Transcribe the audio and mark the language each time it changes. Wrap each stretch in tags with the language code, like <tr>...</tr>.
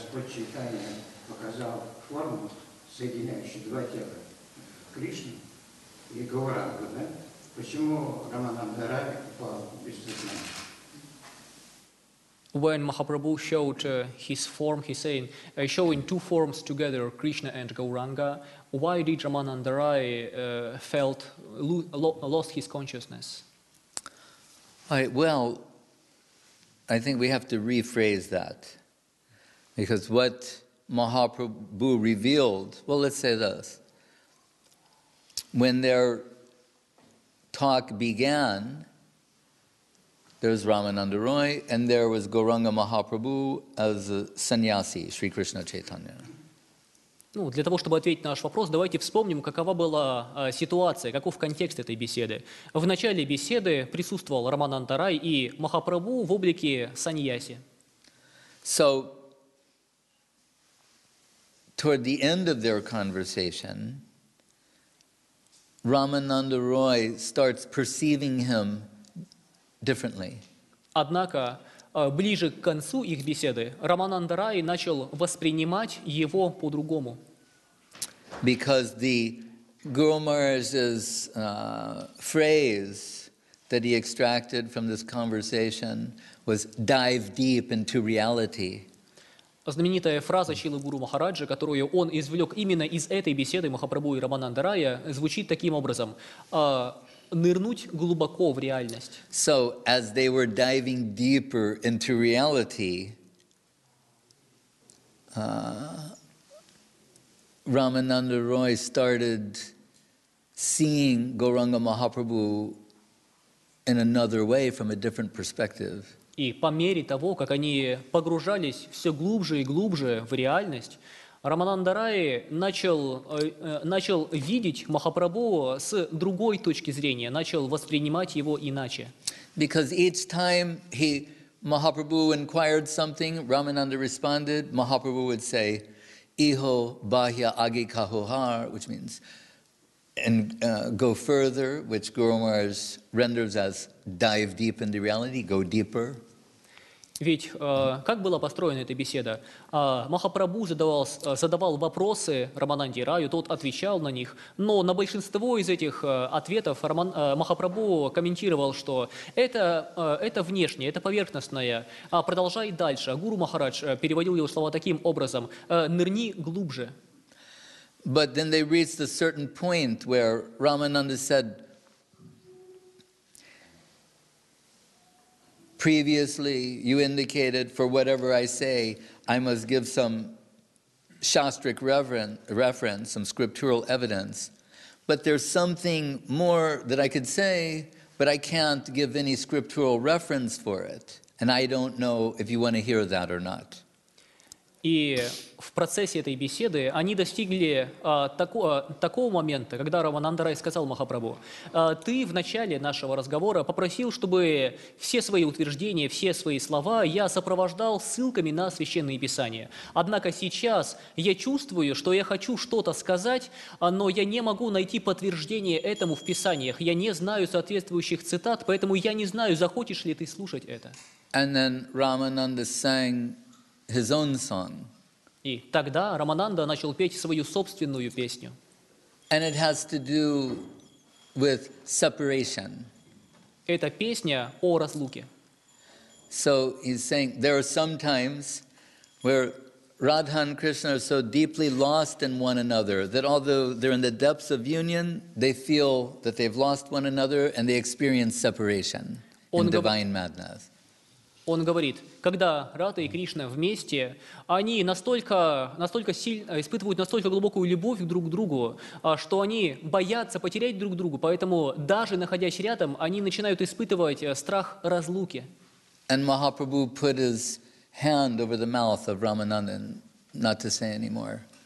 <ru>сочетание показал форму соединяющую два тела Кришны и Гауранга, да? Почему Рамананда Рай упал без сознания?</ru> <en>When Mahaprabhu showed his form, he's saying, showing two forms together, Krishna and Gauranga, why did Ramananda Rai lost his consciousness? I think we have to rephrase that. Because what Mahaprabhu revealed, well, let's say this. When their talk began, there's Ramananda Roy, and there was Gauranga Mahaprabhu as a sannyasi, Sri Krishna Chaitanya.</en> <ru>Ну, для того, чтобы ответить на наш вопрос, давайте вспомним, какова была ситуация, каков контекст этой беседы. В начале беседы присутствовал Рамананда Рай и Махапрабху в облике сannyasi.</ru> <en>So, toward the end of their conversation, Ramananda Roy starts perceiving him differently.</en> <ru>Однако ближе к концу их беседы Рамананда Рай начал воспринимать его по-другому.</ru> <en>Because the Guru Maharaj's phrase that he extracted from this conversation was "dive deep into reality."</en> <ru>Знаменитая фраза Шрилы Гуру Махараджа, которую он извлек именно из этой беседы Махапрабху и Рамананда Рая, звучит таким образом. Нырнуть глубоко в реальность.</ru> <en>So, as they were diving deeper into reality, Ramananda Roy started seeing Gauranga Mahaprabhu in another way, from a different perspective.</en> <ru>И по мере того, как они погружались все глубже и глубже в реальность, Рамананда Рай начал видеть Махапрабху с другой точки зрения, начал воспринимать его иначе.</ru> <en>Because each time Махапрабху inquired something, Рамананда responded, Махапрабху would say, Iho bahya agi kahuhar, which means, and go further, which Guru Maharaj renders as dive deep into reality, go deeper.</en> <ru>Ведь как была построена эта беседа? Махапрабху задавал вопросы Рамананде Раю, тот отвечал на них, но на большинство из этих ответов Махапрабху комментировал, что это внешнее, это поверхностное, продолжай дальше. Гуру Махарадж переводил его слова таким образом, нырни глубже.</ru> <en>But then they reached a certain point where Ramananda said, previously, you indicated for whatever I say, I must give some shastric reference, some scriptural evidence. But there's something more that I could say, but I can't give any scriptural reference for it. And I don't know if you want to hear that or not.</en> <ru>И в процессе этой беседы они достигли такого момента, когда Рамананда Рай сказал Махапрабху, «Ты в начале нашего разговора попросил, чтобы все свои утверждения, все свои слова я сопровождал ссылками на Священные Писания. Однако сейчас я чувствую, что я хочу что-то сказать, но я не могу найти подтверждение этому в Писаниях. Я не знаю соответствующих цитат, поэтому я не знаю, захочешь ли ты слушать это».</ru> <en>And then Ramananda sang his own song.</en> <ru>И тогда Рамананда начал петь свою собственную песню.</ru> <en>And it has to do with separation.</en> <ru>Эта песня о разлуке.</ru> <en>So he's saying there are some times where Radha and Krishna are so deeply lost in one another that although they're in the depths of union, they feel that they've lost one another and they experience separation in divine madness.</en> <ru>Он говорит, когда Рада и Кришна вместе, они настолько сильно испытывают настолько глубокую любовь друг к другу, что они боятся потерять друг друга, поэтому даже находясь рядом, они начинают испытывать страх разлуки.</ru> <en>And Mahaprabhu put his hand over the mouth of Ramananda, not to say anymore.</en>